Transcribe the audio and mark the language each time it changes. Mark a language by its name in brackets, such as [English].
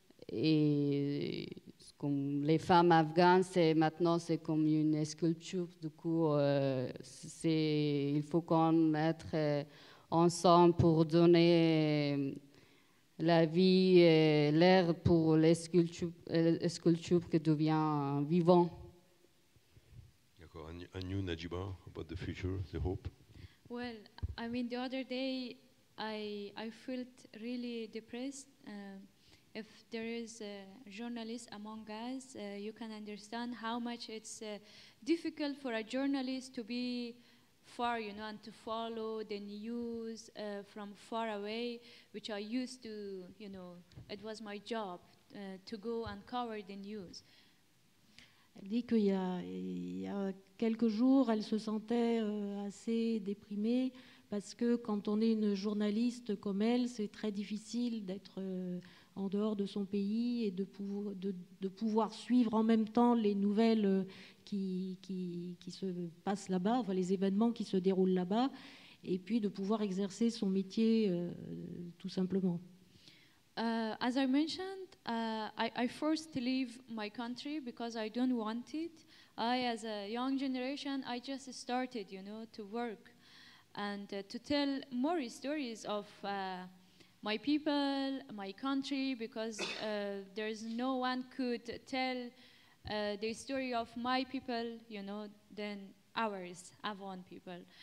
[French] Et comme les femmes afghanes, c'est maintenant comme une sculpture. Du coup, il faut qu'on mette ensemble pour donner la vie et l'air pour les sculptures qui deviennent vivants. D'accord. [English] And you, Najiba, about the future, the hope? Well, I mean, the other day, I felt really depressed. If there is a journalist among us, you can understand how much it's difficult for a journalist to be far, you know, and to follow the news from far away, which I used to, you know, it was my job to go and cover the news. [French] Elle dit qu'il y a quelques jours, elle se sentait assez déprimée parce que quand on est une journaliste comme elle, c'est très difficile d'être en dehors de son pays et de pouvoir suivre en même temps les nouvelles qui se passent là-bas, enfin les événements qui se déroulent là-bas, et puis de pouvoir exercer son métier tout simplement. [English] As I mentioned, I forced to leave my country because I don't want it. I, as a young generation, I just started, you know, to work and to tell more stories of my people, my country, because there is no one could tell the story of my people, you know, than ours, Afghan people.